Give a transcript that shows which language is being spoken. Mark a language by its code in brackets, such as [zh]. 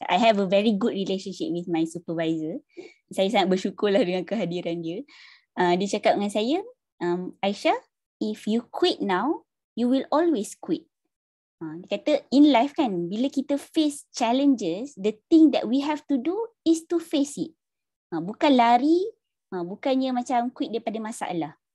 [en] I have a very good relationship with my supervisor. [ms] Saya sangat bersyukur lah dengan kehadiran dia. Dia cakap dengan saya, [en] Aisyah, if you quit now, you will always quit. [ms] Dia kata [en] in life [ms] kan, bila kita [en] face challenges, the thing that we have to do is to face it. [ms] Bukan lari, bukannya macam quit daripada masalah.